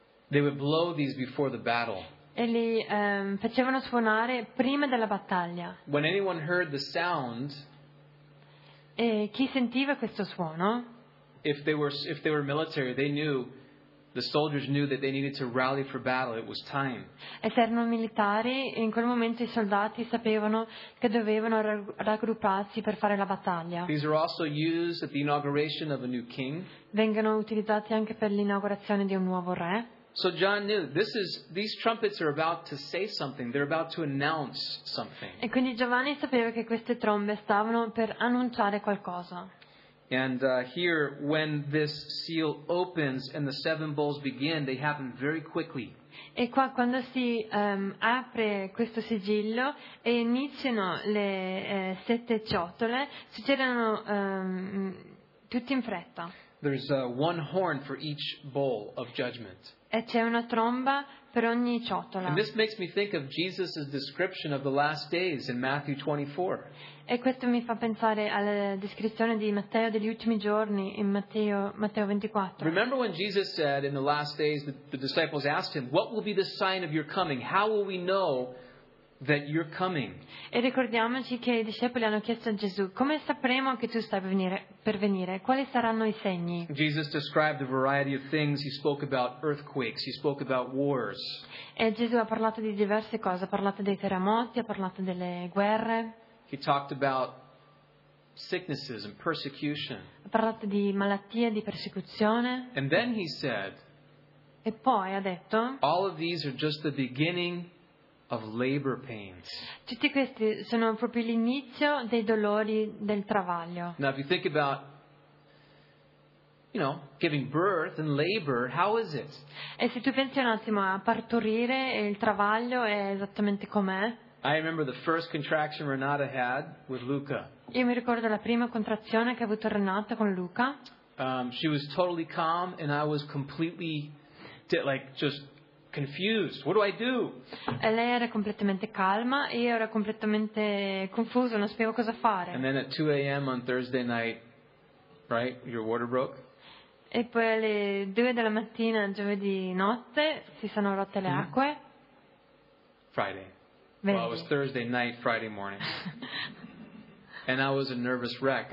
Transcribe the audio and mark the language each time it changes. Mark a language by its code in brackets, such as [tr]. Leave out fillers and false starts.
[en] They would blow these before the battle. [it] E li facevano suonare prima della battaglia. [en] When anyone heard the sound, [it] e chi sentiva questo suono? [en] If they were military, they knew. The soldiers knew that they needed to rally for battle. It was time. [it] E se erano militari, in quel momento i soldati sapevano che dovevano raggrupparsi per fare la battaglia. [en] These are also used at the inauguration of a new king. [it] Vengono utilizzati anche per l'inaugurazione di un nuovo re. [en] So John knew these trumpets are about to say something. They're about to announce something. [it] E quindi Giovanni sapeva che queste trombe stavano per annunciare qualcosa. [en] And here, when this seal opens and the seven bowls begin, they happen very quickly. [it] E qua quando si apre questo sigillo e iniziano le sette ciotole, succedono tutti in fretta. [en] There's one horn for each bowl of judgment. [it] E c'è una tromba per ogni ciotola. [en] And this makes me think of Jesus' description of the last days in Matthew 24. [it] E questo mi fa pensare alla descrizione di Matteo degli ultimi giorni in Matteo 24. [en] Remember when Jesus said in the last days the disciples asked him, "What will be the sign of your coming? How will we know that you're coming?" [it] E ricordiamoci che i discepoli hanno chiesto a Gesù, "Come sapremo che tu stai per venire? Quali saranno i segni?" [en] Jesus described a variety of things. He spoke about earthquakes, he spoke about wars. [it] E Gesù ha parlato di diverse cose, ha parlato dei terremoti, ha parlato delle guerre. [en] He talked about sicknesses and persecution. [it] Ha parlato di malattie, di persecuzione. [en] And then he said, [it] e poi ha detto, [en] all of these are just the beginning of labor pains. [it] Tutti questi sono proprio l'inizio dei dolori del travaglio. [en] Now if you think about giving birth and labor, how is it? [it] E se tu pensi un attimo a partorire e il travaglio è esattamente com'è? [en] I remember the first contraction Renata had with Luca. [it] Io mi ricordo la prima contrazione che ha avuto Renata con Luca. [en] She was totally calm and I was completely just confused. What do I do? [it] E lei era completamente calma e io ero completamente confuso, non sapevo cosa fare. [en] And then at 2 a.m. on Thursday night, right, your water broke? [it] E poi alle 2 della mattina giovedì notte si sono rotte le acque. [en] Friday. Well, it was Thursday night, Friday morning. And I was a nervous wreck.